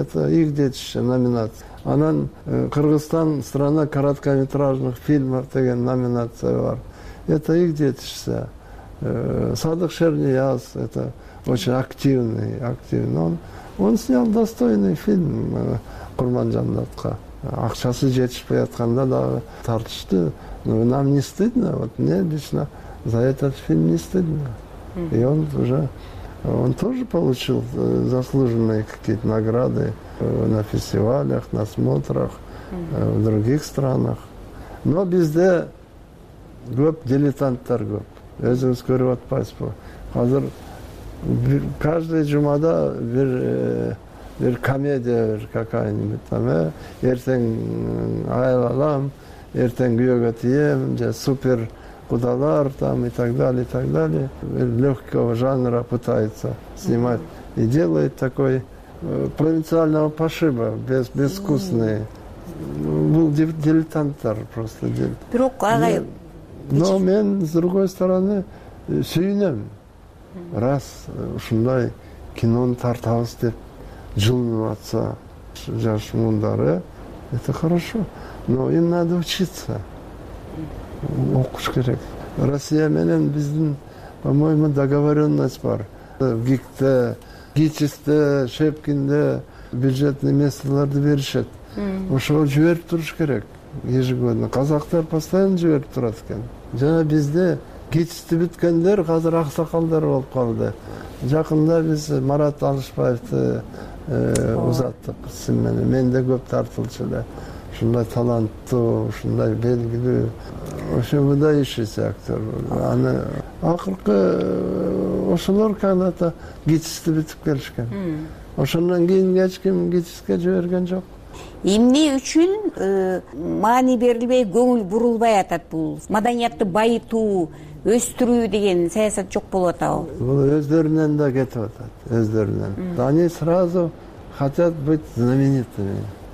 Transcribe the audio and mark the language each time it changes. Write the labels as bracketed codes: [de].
[ru] Это их детище, номинация. [ky] Анан Кыргызстан страна короткометражных фильмов деген номинация бар. [ru] Это их детище. Садык Шернияз, это очень активный. Он снял достойный фильм Курманжандатка. [ky] Акчасы жетишпей атканда дагы тартышты. [ru] Нам не стыдно, вот мне лично за этот фильм не стыдно. И он тоже получил заслуженные какие-то награды на фестивалях, на смотрах в других странах. [ky] Но бизде көп дилетанттар көп. Өзүңүз көрүп атпайсызбы? Азыр каждый жумада бир комедия бир [ru] какая-нибудь там, [ky] эртең айлалам, эртең күйөөгө тийем, же супер кудалар там [ru] и так далее, и так далее. Легкого жанра пытается снимать и делает такой провинциального пошиба, безвкусный. [ky] Был дилетанттар просто. Бирок агай. [ru] Но мен с другой стороны сүйүнөм. [ky] Раз ушундай кинонун тартабыз деп жылынып атса жаш муундары, [ru] это хорошо. Но им надо учиться. [ky] Окуш керек. Россия менен биздин, по-моему, договоренность бар. В ГИКТе, ГИЧИСТе, Шепкинде бюджетные местоларды беришет. Ошого жиберип туруш керек ежегодно. Казактар постоянно жиберип турат экен. Жана бизде ГИЧИСТи бүткөндөр азыр аксакалдар болуп калды. Жакында биз Марат Алышбаевди узаттык сын менен. Менде көп тартылчу эле. Ушундай таланттуу, ушундай белгилүү ошо [ru] выдающийся актёр. [ky] Аны акыркы ошолор когда-то ГИЧИСТи бүтүп келишкен. Ошондон кийин эч ким ГИЧИСТке жиберген жок. Эмне үчүн маани берилбей, көңүл бурулбай атат бул маданиятты байытуу, өстүрүү деген саясат жок болуп атабы? Бул өздөрүнөн да кетип атат, өздөрүнөн. [ru] Они сразу хотят быть знаменитыми.